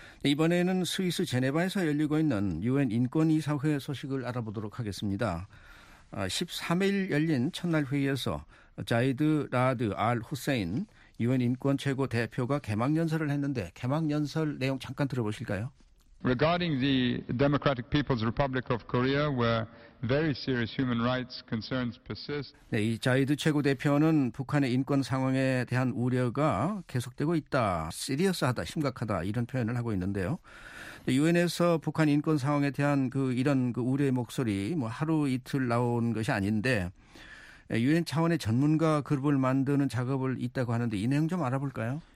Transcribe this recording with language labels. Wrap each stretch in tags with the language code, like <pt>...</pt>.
<ko>이번에는 스위스 제네바에서 열리고 있는 UN 인권이사회 소식을 알아보도록 하겠습니다. 13일 열린 첫날 회의에서 자이드 라드 알 후세인 유엔 인권 최고 대표가 개막 연설을 했는데 개막 연설 내용 잠깐 들어보실까요?</ko> <en>Regarding the Democratic People's Republic of Korea, where very serious human rights concerns persist.</en> <ko>네, 이 자이드 최고 대표는 북한의 인권 상황에 대한 우려가 계속되고 있다, 시리어스하다, 심각하다 이런 표현을 하고 있는데요. 유엔에서 북한 인권 상황에 대한 그 이런 그 우려의 목소리 뭐 하루 이틀 나온 것이 아닌데. 유엔 차원의 전문가 그룹을 만드는 작업을 있다고 하는데 이 내용 좀 알아볼까요?</ko>